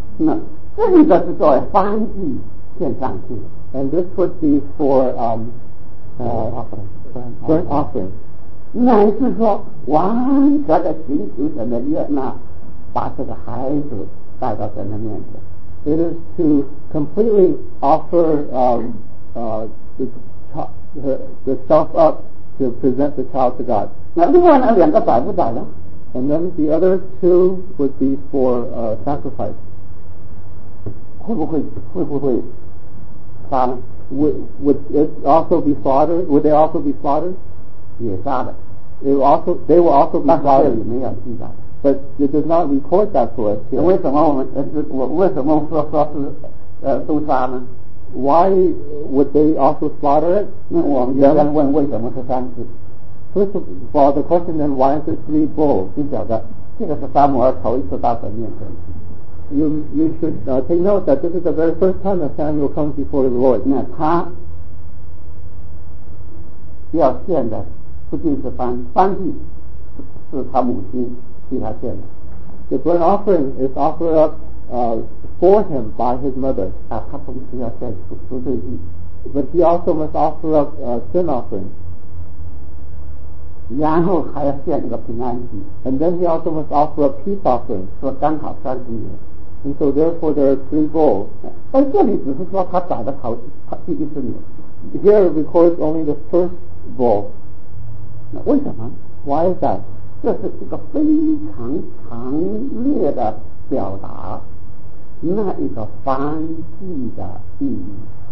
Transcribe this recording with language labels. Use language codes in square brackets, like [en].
[zh] 那这一个是作为燔祭献上去。 [en] And this would be for burnt offering. [zh] 那也是说，完全的寻求神的悦纳，把这个孩子带到神的面前。 [en] It is to completely offer the self up to present the child to God. [zh] 那另外那两个宰不宰呢？ [en] And then the other two would be for sacrifice. [zh] 会不会杀呢？ [en] Would they also be slaughtered? [zh] 也杀的。 [en] They will also be slaughtered. [zh] 那这里没有记载。 [en] But it does not record that for us here. [zh] 为什么说是都杀呢？ [en] Why would they also slaughter it? [zh] 那我们就要问为什么是三次。 [en] First of all, the question then, why is it 3 bulls? [zh] 你晓得，这个是撒母耳头一次到神面前。 [en] You should take note that this is the very first time that Samuel comes before the Lord. [zh] 那他要献的不仅是燔祭，是他母亲替他献的。 [en] The burnt offering is offered up for him by his mother. [zh] 啊，他母亲要献出赎罪祭。 [en] But he also must offer up sin offerings. [zh] 然后还要献一个平安祭。 [en] And then he also must offer up peace offerings. [zh] 说刚好三个人。 [en] And so therefore there are three bulls. [zh] 而这里只是说他宰的头，他第一只牛。 [en] Here it records only the first bull. [zh] 那为什么？ [en] Why is that? [zh] 这是一个非常强烈的表达那一个燔祭的意义。